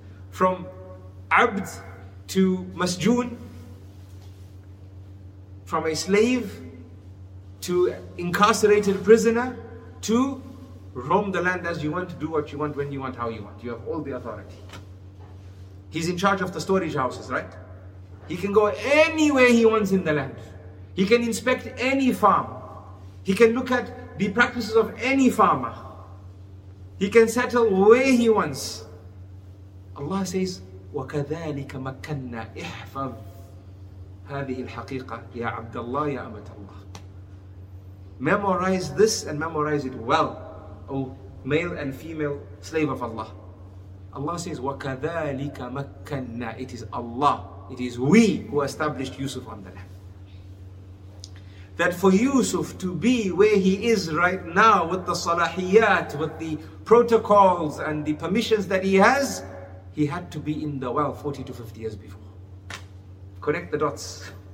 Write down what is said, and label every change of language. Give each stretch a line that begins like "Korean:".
English: From Abd to Masjoon, from a slave to incarcerated prisoner to roam the land as you want, to do what you want, when you want, how you want. You have all the authority. He's in charge of the storage houses, right? He can go anywhere he wants in the land. He can inspect any farm. He can look at the practices of any farmer. He can settle where he wants. Allah says,
Arabic: وَكَذَلِكَ مَكَّنَّا إِحْفَظْ هَذِهِ الْحَقِيقَةِ يَا عَبْدَ اللَّهِ يَا أَمَتَ اللَّهِ.
English: Memorize this and memorize it well, O male and female slave of Allah. Allah says,
Arabic: وَكَذَلِكَ مَكَّنَّا.
English: It is Allah, it is we who established Yusuf on the land. That for Yusuf to be where he is right now with the salahiyat, with the protocols and the permissions that he has, he had to be in the well 40 to 50 years before. Connect the dots.